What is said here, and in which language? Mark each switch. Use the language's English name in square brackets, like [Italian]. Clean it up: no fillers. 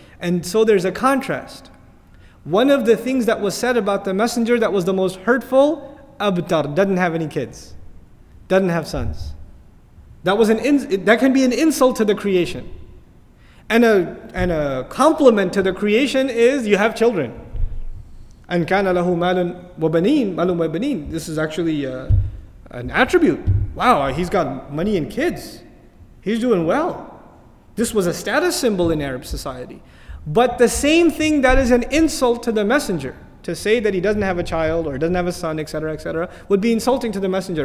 [English] And so there's a contrast. One of the things that was said about the messenger that was the most hurtful, Abtar, doesn't have any kids. Doesn't have sons. That can be an insult to the creation. And a compliment to the creation is you have children. And [Arabic] كان له مال وبنين. [English] This is actually an attribute. Wow, he's got money and kids. He's doing well. This was a status symbol in Arab society. But the same thing that is an insult to the messenger, to say that he doesn't have a child or doesn't have a son, etc., etc., would be insulting to the messenger.